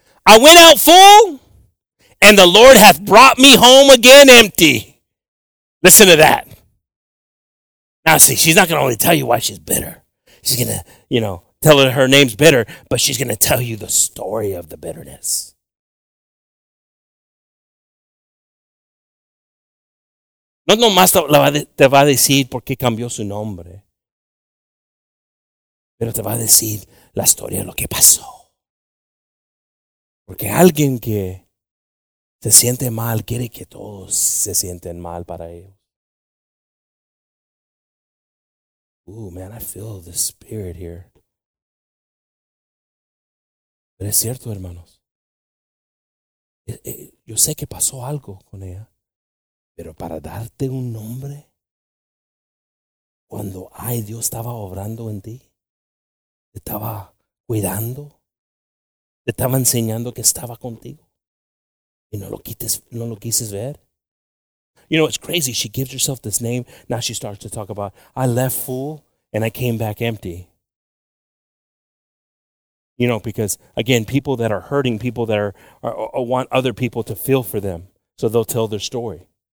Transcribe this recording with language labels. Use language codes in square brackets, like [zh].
[en] I went out full, and the Lord hath brought me home again empty. Listen to that. Now, see, she's not going to only tell you why she's bitter. She's going to, you know, tell her name's bitter, but she's going to tell you the story of the bitterness. [es] No nomás te va a decir por qué cambió su nombre, pero te va a decir la historia de lo que pasó. Porque alguien que se siente mal quiere que todos se sienten mal para ellos. [en] Ooh, man, I feel the spirit here. [es] Pero es cierto, hermanos. Yo sé que pasó algo con ella. Pero para darte un nombre, cuando ay, Dios estaba obrando en ti, te estaba cuidando, te estaba enseñando que estaba contigo, y no lo quises ver. [en] You know, it's crazy. She gives herself this name. Now she starts to talk about, I left full and I came back empty. You know, because again, people that are hurting, people that are want other people to feel for them, so they'll tell their story.